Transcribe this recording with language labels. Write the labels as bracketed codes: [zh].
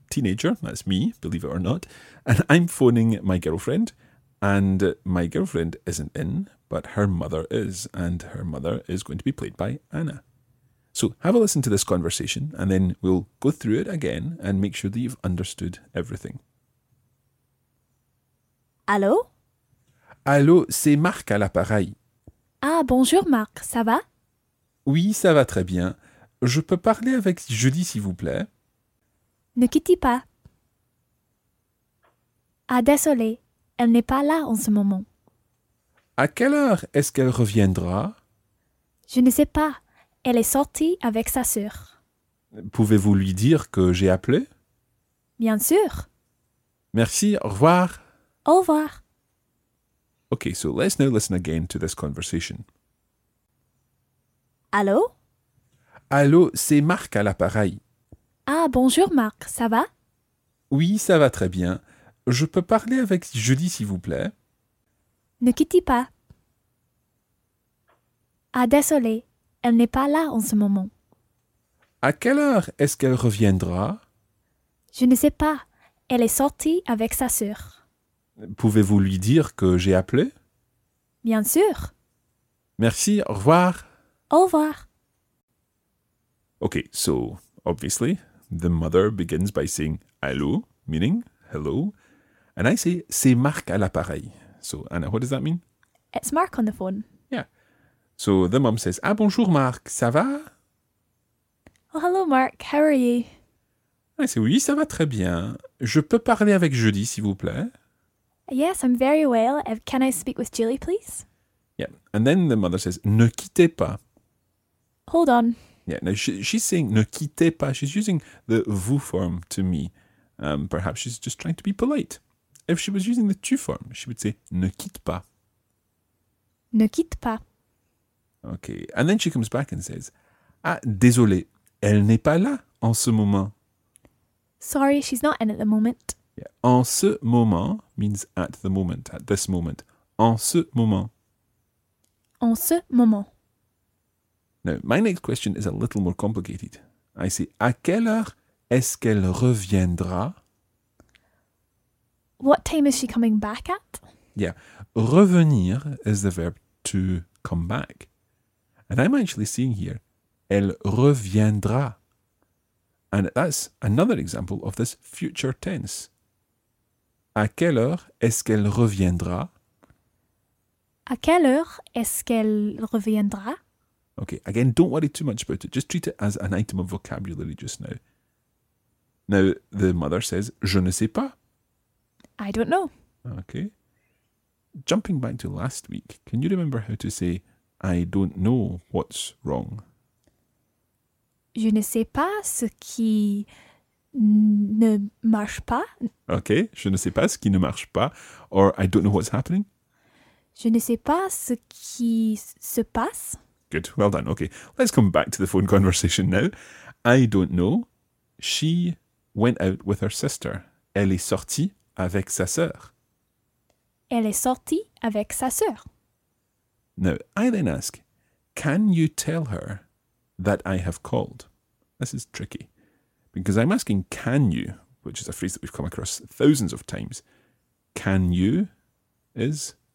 [en] teenager, that's me, believe it or not, and I'm phoning my girlfriend, and my girlfriend isn't in, but her mother is, and her mother is going to be played by Anna. So have a listen to this conversation, and then we'll go through it again and make sure that you've understood everything. [fr] Allô? Allô, c'est Marc à l'appareil. Ah, bonjour Marc, ça va? Oui, ça va très bien. Je peux parler avec Julie, s'il vous plaît? Ne quittez pas. Ah, désolé, elle n'est pas là en ce moment. À quelle heure est-ce qu'elle reviendra? Je ne sais pas. Elle est sortie avec sa sœur. Pouvez-vous lui dire que j'ai appelé? Bien sûr. Merci, au revoir. Au revoir. [en] Okay, so let's now listen again to this conversation. [fr] Allô? Allô, c'est Marc à l'appareil. Ah, bonjour Marc, ça va? Oui, ça va très bien. Je peux parler avec Julie, s'il vous plaît? Ne quittez pas. Ah, désolé. Elle n'est pas là en ce moment. À quelle heure est-ce qu'elle reviendra? Je ne sais pas. Elle est sortie avec sa sœur. Pouvez-vous lui dire que j'ai appelé? Bien sûr. Merci, au revoir. Au revoir. [en] Okay, so, obviously, the mother begins by saying allô, meaning hello, and I say [fr] c'est Marc à l'appareil. [en] So, Anna, what does that mean? It's Marc on the phone. So the mum says, [fr] ah, bonjour, Marc, ça va? [en] Oh, hello, Marc, how are you? I say, [fr] oui, ça va très bien. Je peux parler avec Julie, s'il vous plaît? [en] Yes, I'm very well. Can I speak with Julie, please? Yeah, and then the mother says, [fr] ne quittez pas. [en] Hold on. Yeah, now she's saying, [fr] ne quittez pas. [en] She's using the vous form to me. Perhaps she's just trying to be polite. If she was using the tu form, she would say, [fr] ne quitte pas. Ne quitte pas. [en] Okay, and then she comes back and says, [fr] ah, désolé, elle n'est pas là en ce moment. [en] Sorry, she's not in at the moment. Yeah. [fr] En ce moment [en] means at the moment, at this moment. [fr] En ce moment. En ce moment. [en] Now, my next question is a little more complicated. I say, [fr] à quelle heure est-ce qu'elle reviendra? [en] What time is she coming back at? Yeah, revenir is the verb to come back. And I'm actually seeing here, [fr] elle reviendra. [en] And that's another example of this future tense. [fr] À quelle heure est-ce qu'elle reviendra? À quelle heure est-ce qu'elle reviendra? [en] Okay, again, don't worry too much about it. Just treat it as an item of vocabulary just now. Now, the mother says, [fr] je ne sais pas. [en] I don't know. Okay. Jumping back to last week, can you remember how to say, I don't know what's wrong. [fr] Je ne sais pas ce qui ne marche pas. [en] Okay, [fr] je ne sais pas ce qui ne marche pas. [en] Or, I don't know what's happening. [fr] Je ne sais pas ce qui se passe. [en] Good, well done. Okay, let's come back to the phone conversation now. I don't know. She went out with her sister. Elle est sortie avec sa sœur. Elle est sortie avec sa sœur. Now, I then ask, can you tell her that I have called? This is tricky, because I'm asking can you, which is a phrase that we've come across thousands of times. Can you is?